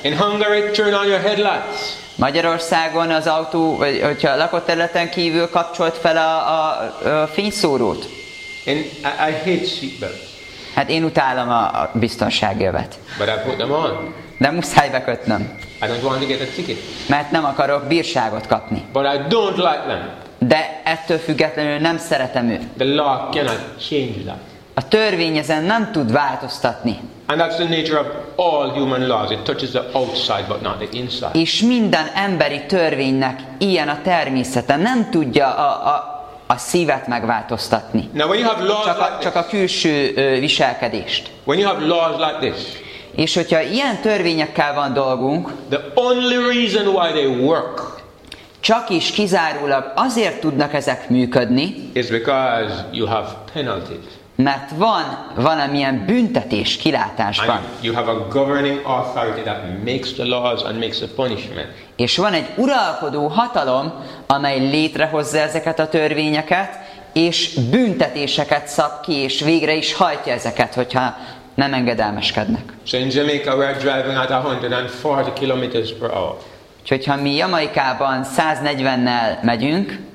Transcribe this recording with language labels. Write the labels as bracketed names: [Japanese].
[English] In Hungary, turn on your headlights. [Hungarian] Magyarországon az autó, vagy hogyha a lakott területen kívül kapcsolt fel a fényszórót. [English] And I hate seatbelt. [Hungarian] Hát én utálom a biztonsági övet. [English] But I put them on. [Hungarian] De muszáj bekötnöm. [English] I don't want to get a ticket. [Hungarian] Mert nem akarok bírságot kapni. [English] But I don't like them. [Hungarian] De ettől függetlenül nem szeretem őt. [English] The law cannot change that. [Hungarian] A törvény ezen nem tud változtatni. [English] And that's the nature of all human laws. It touches the outside, but not the inside. [Hungarian] És minden emberi törvénynek ilyen a természete. Nem tudja a szívet megváltoztatni. [English] Now, when you have laws [Hungarian] csak, a, [English] like [Hungarian] csak a külső viselkedést. [English] When you have laws like this, [Hungarian] és hogyha ilyen törvényekkel van dolgunk, [English] the only reason why they work, [Hungarian] csak is kizárólag azért tudnak ezek működni, [English] is because you have penalties. [Hungarian] Mert van valamilyen büntetés kilátásban. [English] You have a governing authority that makes the laws and makes the punishment. [Hungarian] És van egy uralkodó hatalom, amely létrehozza ezeket a törvényeket, és büntetéseket szab ki, és végre is hajtja ezeket, hogyha nem engedelmeskednek. [English] So in Jamaica we are driving at 140 kilometers per hour. [Hungarian] Úgyhogy ha mi Jamaikában 140-nel megyünk,